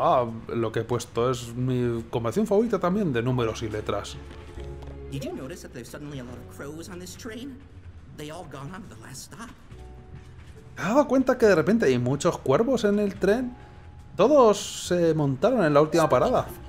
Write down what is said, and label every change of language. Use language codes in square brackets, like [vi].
[es] Ah, lo que he puesto es mi combinación favorita también de números y letras. [en] Did you notice that there's suddenly a lot of crows on this train? They all gone on the last stop. [es] ¿Has dado cuenta que de repente hay muchos cuervos en el tren? Todos se montaron en la última parada.